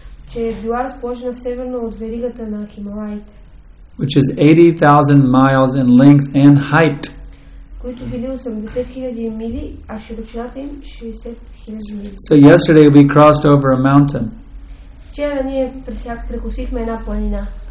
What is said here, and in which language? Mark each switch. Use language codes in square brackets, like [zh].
[bg] Че е била разположена северно от веригата на Хималаите. [en] Which is 80,000 miles in length and height. [bg] Които били 80,000 мили, а широчината им 60,000 мили. [en] So yesterday we crossed over a mountain. [bg] Вчера ние прекосихме една планина.